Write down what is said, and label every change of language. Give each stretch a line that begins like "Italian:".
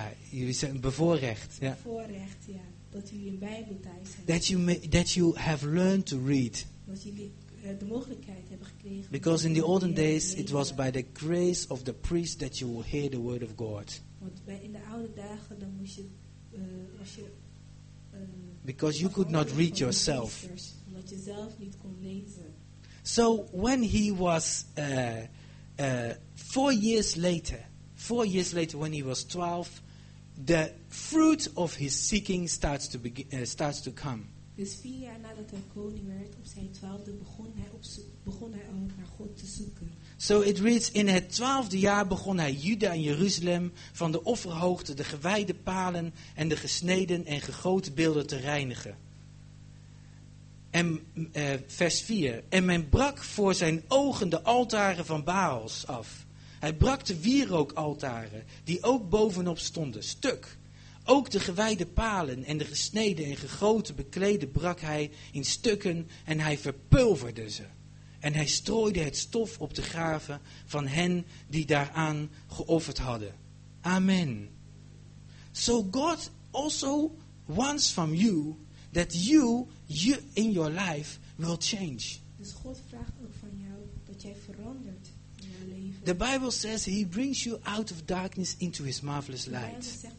Dutch: Jullie zijn bevoorrecht.
English: Yeah.
Dutch: Voorrecht, ja. Dat jullie een Bijbel thuis hebben.
English: That you have learned to read.
Dutch: Dat jullie de mogelijkheid hebben gekregen.
English: Because in the olden days, it was by the grace of the priest that you will hear the word of God.
Dutch: Want in de oude dagen dan moest je als je
English: because you could not read yourself.
Dutch: Omdat je zelf niet kon lezen.
English: So when he was 4 years later when he was 12, the fruit of his seeking starts to come.
Dutch: Dus 4 jaar nadat hij koning werd op zijn 12e begon hij al naar God te zoeken.
English: So it reads,
Dutch: in het 12e jaar begon hij Juda en Jeruzalem van de offerhoogte, de gewijde palen en de gesneden en gegoten beelden te reinigen. En vers 4. En men brak voor zijn ogen de altaren van Baals af. Hij brak de wierookaltaren, die ook bovenop stonden, stuk. Ook de gewijde palen en de gesneden en gegoten bekleden brak hij in stukken en hij verpulverde ze. En hij strooide het stof op de graven van hen die daaraan geofferd hadden. Amen.
English: So God also wants from you that you in your life will change.
Dutch: Dus God vraagt ook van jou dat jij verandert.
English: The Bible says he brings you out of darkness into his marvelous light.